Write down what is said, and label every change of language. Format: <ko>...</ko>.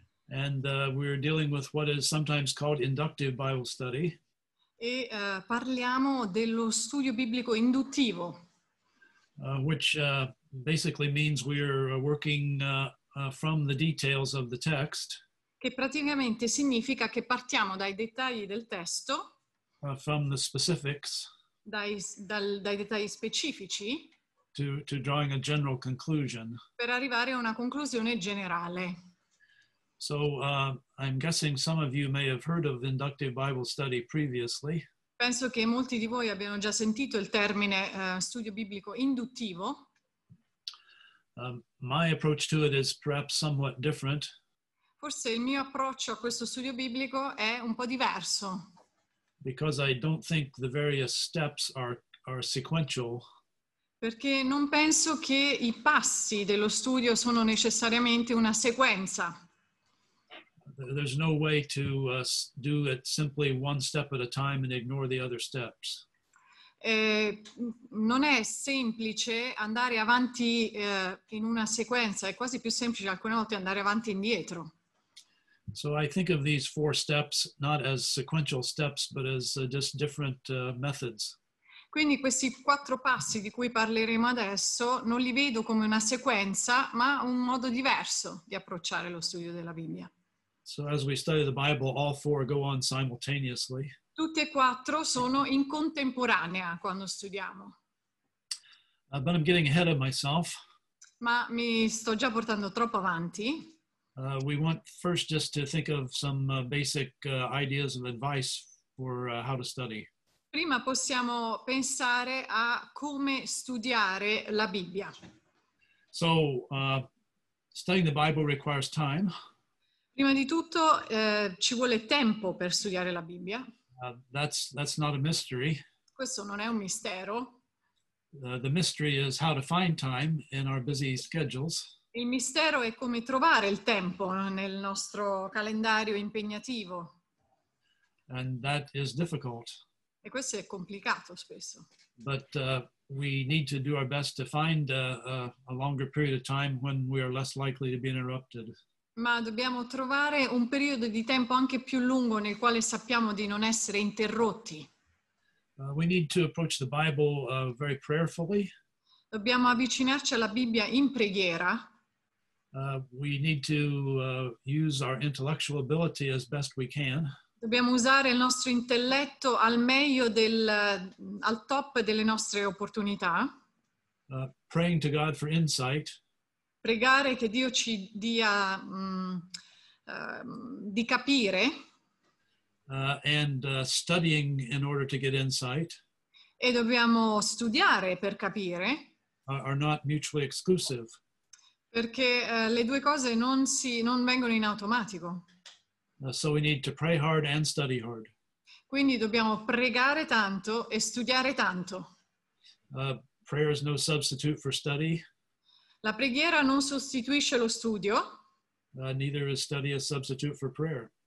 <en>And we're dealing with what is sometimes called inductive Bible study.</en> <it>E parliamo dello studio biblico induttivo.</it> <en>Which basically means we're working from the details of the text.</en> <it>Che praticamente significa che partiamo dai dettagli del testo.</it> <en>From the specifics.</en> <it>Dai dettagli specifici.</it> <en>To drawing a general conclusion.</en> <it>Per arrivare a una conclusione generale.</it> <en>So I'm guessing some of you may have heard of inductive Bible study previously.</en> <it>Penso che molti di voi abbiano già sentito il termine studio biblico induttivo.</it> <en>My approach to it is perhaps somewhat different.</en> <it>Forse il mio approccio a questo studio biblico è un po' diverso.</it> <en>Because I don't think the various steps are sequential.</en> <it>Perché non penso che i passi dello studio sono necessariamente una sequenza.</it> <en>There's no way to do it simply one step at a time and ignore the other steps.</en> <it>Non è semplice andare avanti in una sequenza, è quasi più semplice alcune volte andare avanti e indietro.</it> <en>So I think of these four steps not as sequential steps but as just different methods.</en> <it>Quindi questi quattro passi di cui parleremo adesso non li vedo come una sequenza, ma un modo diverso di approcciare lo studio della Bibbia.</it> <en>So as we study the Bible, all four go on simultaneously.</en> <it>Tutte e quattro sono in contemporanea quando studiamo.</it> <en>But I'm getting ahead of myself.</en> <it>Ma mi sto già portando troppo avanti.</it> <en>We want first just to think of some basic ideas of advice for how to study.</en> <it>Prima possiamo pensare a come studiare la Bibbia.</it> <en>So, studying the Bible requires time.</en> <it>Prima di tutto ci vuole tempo per studiare la Bibbia.</it> <en>That's not a mystery.</en> <it>Questo non è un mistero.</it> <en>The mystery is how to find time in our busy schedules.</en> <it>Il mistero è come trovare il tempo nel nostro calendario impegnativo.</it> <en>And that is difficult.</en> <it>E questo è complicato spesso.</it> <en>But we need to do our best to find a longer period of time when we are less likely to be interrupted.</en> <it>Ma dobbiamo trovare un periodo di tempo anche più lungo nel quale sappiamo di non essere interrotti.</it> <en>We need to approach the Bible very prayerfully.</en> <it>Dobbiamo avvicinarci alla Bibbia in preghiera.</it> <en>We need to use our intellectual ability as best we can.</en> <it>Dobbiamo usare il nostro intelletto al meglio al top delle nostre opportunità.</it> <en>Praying to God for insight.</en> <it>Pregare che Dio ci dia di capire.</it> <en>And studying in order to get insight.</en> <it>E dobbiamo studiare per capire.</it> <en>Are not mutually exclusive.</en> <it>Perché le due cose non vengono in automatico.</it> <en>So we need to pray hard and study hard.</en> <it>Quindi dobbiamo pregare tanto e studiare tanto.</it> <en>Prayer is no substitute for study.</en> <it>La preghiera non sostituisce lo studio.</it> <en>Neither is study a substitute for prayer.</en>